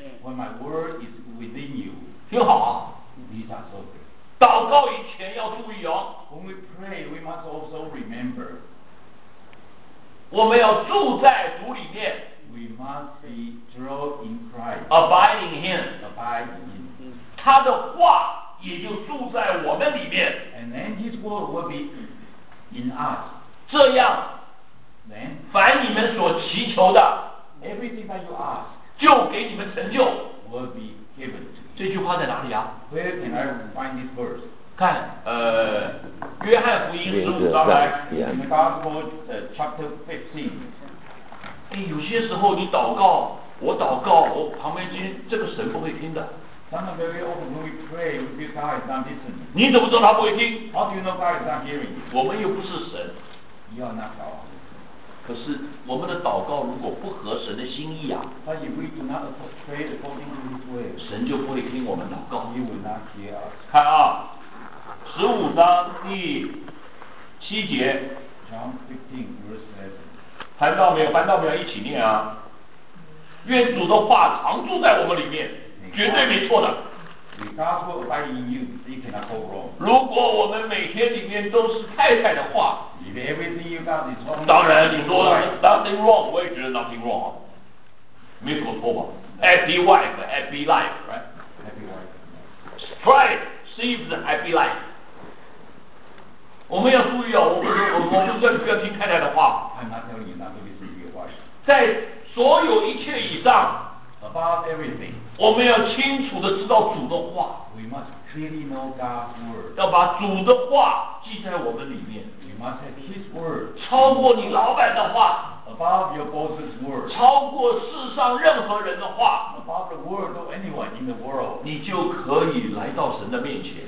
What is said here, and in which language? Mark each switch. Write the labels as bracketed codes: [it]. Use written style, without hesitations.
[en] When my word is within you. [zh] 听好啊。 [en] These are so good. [zh] 祷告以前要注意哦。 [en] When we pray we must also remember. [zh] 我们要住在主里面。 [en] We must be dwelt in Christ. Abiding Him. Abiding Him. [zh] 他的话也就住在我们里面。 [en] And then His word will be in us. [zh] 这样， [en] then, [zh] 凡你们所祈求的， [en] everything that you ask, [zh] 就给你们成就， [en] will be given to you. [zh] 这句话在哪里啊？ [en] Where can I find this verse? [zh] 看，约翰福音十五章来， [en] in the Gospel, chapter 15. [zh] 哎、有些时候你祷告，我祷告，我旁边听，这个神不会听的。 [en] Sometimes very often when we pray, we feel God is not listening. [zh] 你怎么知道他不会听？ [en] How do you know God is not hearing? [zh] 我们又不是神。 [en] You are not God. [zh] 可是我们的祷告如果不合神的心意啊， [en] But if we do not pray according to His will, [zh] 神就不会听我们祷告。 [en] He will not hear us. [zh] 看啊，十五章第七节。 [en] John 15 verse 7。 [zh] 翻到没有？翻到没有？一起念啊！愿主的话常住在我们里面，绝对没错的。 [en] The gospel abides in you, you cannot go wrong. [zh] 如果我们每天里面都是太太的话， [en] If everything you got is wrong, [zh] 当然你说 [en] nothing wrong, [zh] 我也觉得 [en] nothing wrong, [zh] 没什么错吧？ [en] Happy wife, happy life, right? Happy wife. Strive, seize the happy life. [zh] 我们要注意啊，我们说你不要听太太的话。 [en] I'm not telling you not to listen to your wife. [zh] 在所有一切以上 [en] ，above everything， [zh] 我们要清楚地知道主的话。 [en] We must clearly know God's word. [zh] 要把主的话记在我们里面。 [en] We must have His word. [zh] 超过你老板的话。 [en] Above your boss's word. [zh] 超过世上任何人的话。 [en] Above the word of anyone in the world. [zh] 你就可以来到神的面前。